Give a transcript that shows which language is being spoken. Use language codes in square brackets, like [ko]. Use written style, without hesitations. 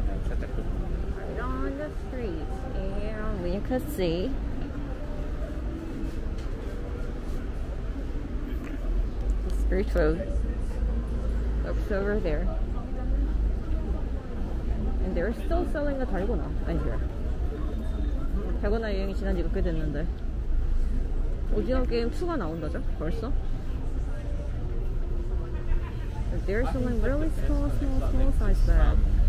[en] Right on the street. And we can see the street food. Looks over there. And they're still selling the 달고나 right here. [ko] 달고나 유행이 지난 지 꽤 됐는데. 오징어 게임 2가 나온다죠? 벌써? [en] They're selling really small, small, small size bag.